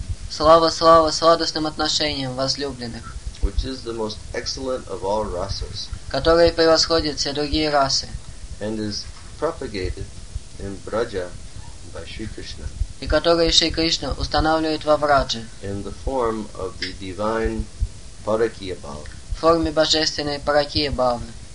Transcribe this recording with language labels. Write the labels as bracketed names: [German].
[Russian] Слава сладостным отношениям возлюбленных. [English] Which is the most excellent of all rasas. [Russian] Которые превосходят все другие расы. [English] And is propagated in Braja by Shri Krishna. [Russian] И которые Шри Кришна устанавливает во Врадже. [English] In the form of the divine Parakiya Bhava. [Russian] В форме божественной Паракия Бхавы.